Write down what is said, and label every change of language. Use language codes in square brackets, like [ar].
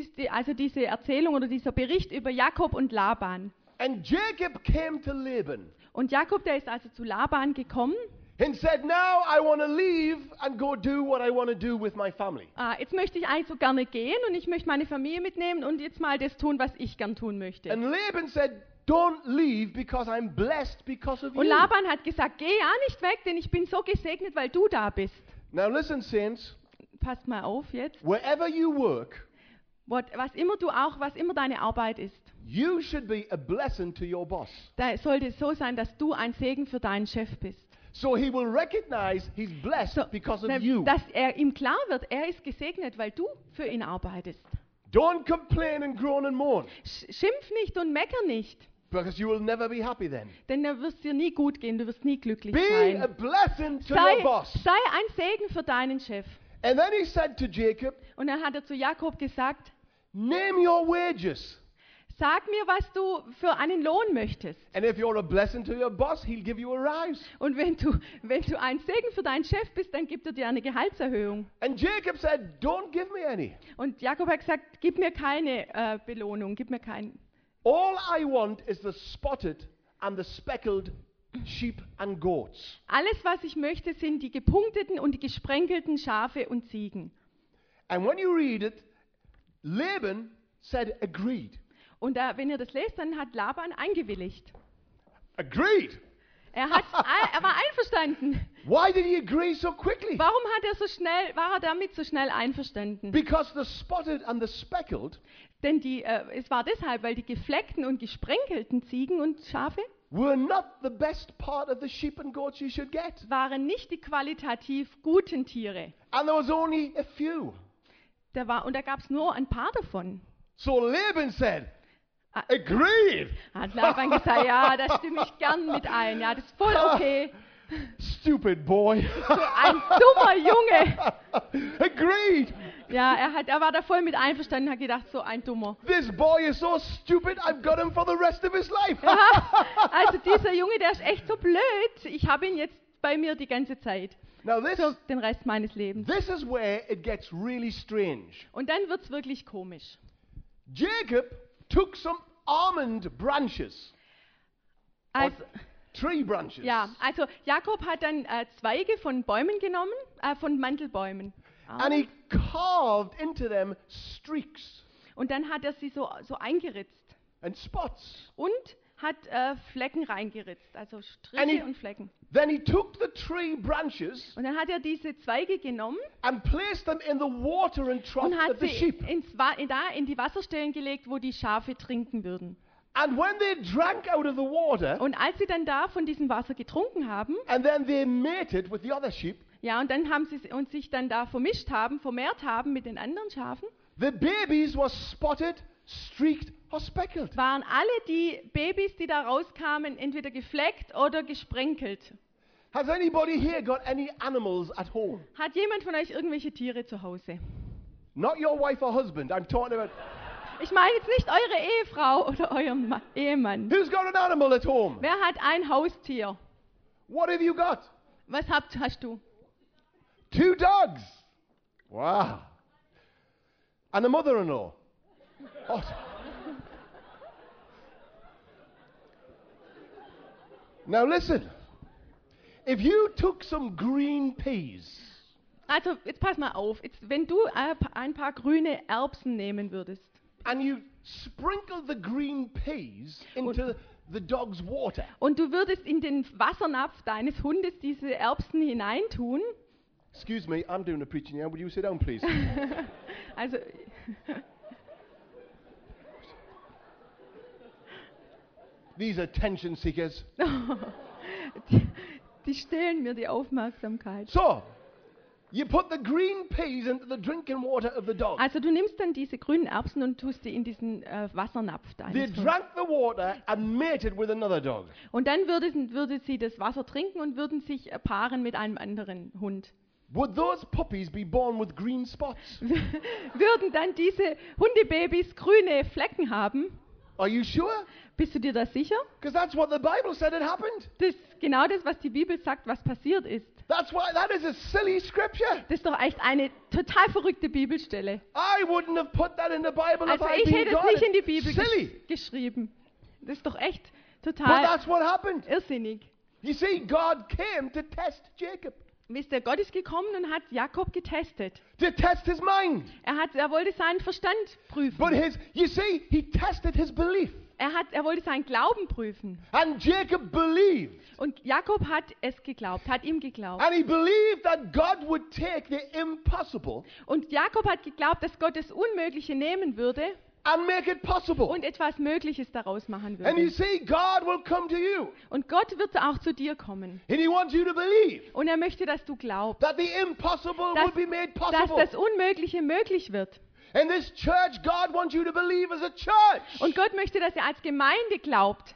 [de] Also diese Erzählung oder dieser Bericht über Jakob und Laban. [en] And Jacob came to Laban. [de] Und Jakob, der ist also zu Laban gekommen. [en] And said, "Now I want to leave and go do what I want to do with my family." [de] Jetzt möchte ich eigentlich so gerne gehen und ich möchte meine Familie mitnehmen und jetzt mal das tun, was ich gern tun möchte. [en] And Laban said, "Don't leave because I'm blessed because of you." [de] Und Laban hat gesagt, geh ja nicht weg, denn ich bin so gesegnet, weil du da bist. [en] Now listen, saints. [de] Passt mal auf jetzt. [en] Wherever you work, [de] was immer deine Arbeit ist, [en] you should be a blessing to your boss. [de] Da sollte es so sein, dass du ein Segen für deinen Chef bist. [en] So he will recognize he's blessed because of you. [de] Dass er ihm klar wird, er ist gesegnet, weil du für ihn arbeitest. [en] Don't complain and groan and moan. [de] Schimpf nicht und mecker nicht. [en] Because you will never be happy then. [de] Denn dann wirst du nie gut gehen, du wirst nie glücklich [en] be [de] sein. [en] A blessing to your boss. [de] Sei ein Segen für deinen Chef. [en] And then he said to Jacob, [de] und dann hat er zu Jakob gesagt, [en] name your wages. [de] Sag mir, was du für einen Lohn möchtest. [en] And if you're a blessing to your boss, he'll give you a rise. [de] Und wenn du ein Segen für deinen Chef bist, dann gibt er dir eine Gehaltserhöhung. [en] And Jacob said, don't give me any. [de] Und Jakob hat gesagt, gib mir keine Belohnung, gib mir keinen. [en] All I want is the spotted and the speckled sheep and goats. [de] Alles, was ich möchte, sind die gepunkteten und die gesprenkelten Schafe und Ziegen. [en] And when you read it, Laban said agreed. [de] Und da, wenn ihr das lest, dann hat Laban eingewilligt. [en] Agreed. [de] Er war einverstanden. [en] Why did he agree so quickly? [de] Warum hat er so schnell, war er damit so schnell einverstanden? [en] Because the spotted and the speckled. [de] Denn die, es war deshalb, weil die gefleckten und gesprenkelten Ziegen und Schafe [en] were not the best part of the sheep and goats you should get. [de] Waren nicht die qualitativ guten Tiere. [en] And there was only a few. [de] Und da gab es nur ein paar davon. [en] So Laban said, agreed. [de] Hat Laban gesagt, ja, da stimme ich gern mit ein. Ja, das ist voll okay. [en] Stupid boy. [de] Ein dummer Junge. [en] Agreed. [de] Ja, er war da voll mit einverstanden, hat gedacht, so ein Dummer. [en] This boy is so stupid, I've got him for the rest of his life. [de] Ja, also dieser Junge, der ist echt so blöd. Ich habe ihn jetzt bei mir die ganze Zeit. [en] Now this, [de] so, den Rest meines Lebens. [en] This is where it gets really strange. [de] Und dann wird's wirklich komisch. [en] Jacob took some almond branches. [de] Also, [en] tree branches. [de] Ja, also Jakob hat dann Zweige von Bäumen genommen, von Mandelbäumen. [en] And he carved into them streaks. [de] Und dann hat er sie so eingeritzt. [en] And spots. [de] Und hat Flecken reingeritzt, also Striche und Flecken. [en] Then he took the tree branches. [de] Und dann hat er diese Zweige genommen. [en] And placed them in the water and trough of the sheep. [de] Und hat sie in die Wasserstellen gelegt, wo die Schafe trinken würden. [en] And when they drank out of the water. [de] Und als sie dann da von diesem Wasser getrunken haben. [en] And then they mated with the other sheep. [de] Ja, und dann haben sie und sich dann da vermehrt haben mit den anderen Schafen. [en] The babies were spotted, streaked or speckled. [de] Waren alle die Babys, die da rauskamen, entweder gefleckt oder gesprenkelt? [en] Has anybody here got any animals at home? [de] Hat jemand von euch irgendwelche Tiere zu Hause? [en] Not your wife or husband. I'm talking about. [de] Ich meine jetzt nicht eure Ehefrau oder euren Ehemann. [en] Who's got an animal at home? [de] Wer hat ein Haustier? [en] What have you got? [de] Was hast du? [en] Two dogs. Wow. And a mother-in-law. Oh. Now listen. If you took some green peas. [de] Also, jetzt pass mal auf. Wenn du ein paar grüne Erbsen nehmen würdest. [en] And you sprinkle the green peas into the dog's water. [de] Und du würdest in den Wassernapf deines Hundes diese Erbsen hineintun. [en] Excuse me, I'm doing a preaching here. Would you sit down, please? [de] Also. [en] These attention seekers. [de] Die stehlen mir die Aufmerksamkeit. [en] So, you put the green peas into the drinking water of the dog. [de] Also du nimmst dann diese grünen Erbsen und tust sie in diesen Wassernapf da. [en] They drank the water and mated with another dog. [de] Und dann würde sie das Wasser trinken und würden sich paaren mit einem anderen Hund. [en] Would those puppies be born with green spots? [de] Würden dann diese Hundebabys grüne Flecken haben? [en] Are you sure? [de] Bist du dir da sicher? [en] Because that's what the Bible said had happened. [de] Das ist genau das, was die Bibel sagt, was passiert ist. [en] That's why that is a silly scripture. [de] Das ist doch echt eine total verrückte Bibelstelle. [en] I wouldn't have put that in the Bible [de] also [en] if [de] ich hätte [en] been [de] das nicht in die Bibel geschrieben. Das ist doch echt total. [en] But that's what happened. [de] Irrsinnig. [en] You see, God came to test Jacob. [de] Wisst ihr, Gott ist gekommen und hat Jakob getestet. [en] To test his mind. [de] Er wollte seinen Verstand prüfen. [en] But you see, he tested his belief. [de] Er wollte seinen Glauben prüfen. [en] And Jacob believed. [de] Und Jakob hat es geglaubt, hat ihm geglaubt. [en] And he believed that God would take the impossible. [de] Und Jakob hat geglaubt, dass Gott das Unmögliche nehmen würde. [en] And make it possible. [de] Und etwas Mögliches daraus machen würde. [en] And you see, God will come to you. [de] Und Gott wird auch zu dir kommen. [en] And he wants you to believe. [de] Und er möchte, dass du glaubst. [en] That the impossible will be made possible. [de] Dass das Unmögliche möglich wird. [en] In this church, God wants you to believe as a church. [de] Und Gott möchte, dass ihr als Gemeinde glaubt.